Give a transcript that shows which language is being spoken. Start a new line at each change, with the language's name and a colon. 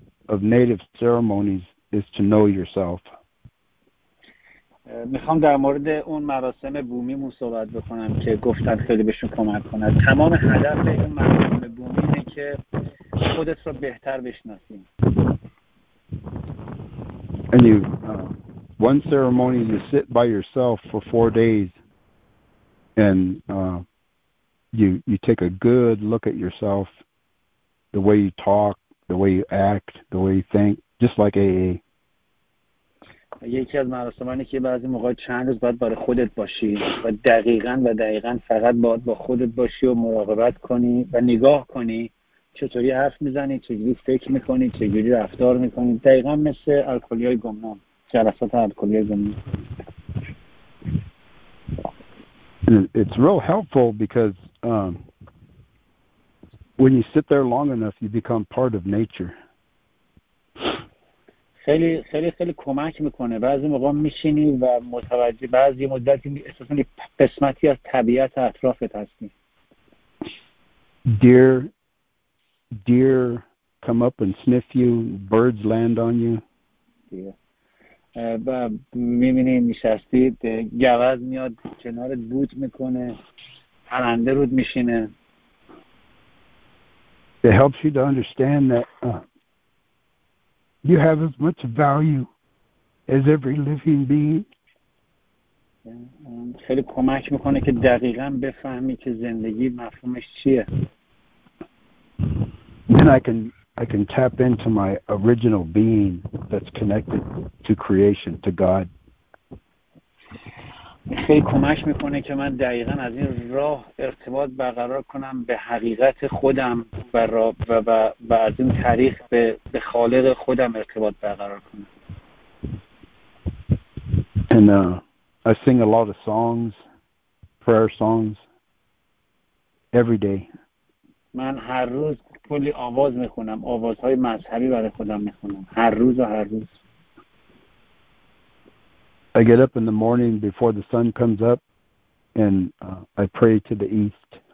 English: of native ceremonies is to know yourself.
Persian: میخوام در مورد اون مراسم بومی مون صحبت بکنم که گفتن خیلی بهشون کمک کنه. تمام هدف این مراسم بومی اینه که خودت رو بهتر بشناسیم.
English: And you, one ceremony, you sit by yourself for 4 days, and you take a good look at yourself, the way you talk, the way you act, the way you think, just like AA.
Persian: یکی از مراسمانی که بعضی موقع چند روز باید برای خودت باشی و دقیقاً فقط باید با خودت باشی و مراقبت کنی و نگاه کنی چطوری حرف میزنی، چجوری فکر میکنی، چجوری رفتار میکنی، دقیقا مثل الکلی های گمنام، جلسات الکلی های گمنام.
English: It's real helpful because when you sit there long enough, you become part of nature.
Persian: خیلی خیلی خیلی کمک میکنه. بعضی موقع میشینی و متوجه بعضی مدتی احساسانی قسمتی از طبیعت اطرافت هستی.
English: Deer come up and sniff you. Birds land on you. Yeah.
Persian: میبینی نشستی، گوز میاد کنارت بوت میکنه، پرنده رود میشینه.
English: It helps you to understand that you have as much value as every living being.
Persian: خیلی کمک میکنه که دقیقا بفهمی که زندگی مفهومش چیه.
English: Then I can tap into my original being that's connected to creation, to God.
Persian: خیلی کمک میکنه که من دقیقا از این راه ارتباط برقرار کنم به حقیقت خودم و از این طریق به خالق خودم ارتباط برقرار کنم.
English: And I sing a lot of songs, prayer songs, every day.
Persian: من هر روز کلی آواز میخونم، آوازهای مذهبی برای خودم میخونم، هر روز و هر روز.
English: I get up in the morning before the sun comes up and I pray to the east.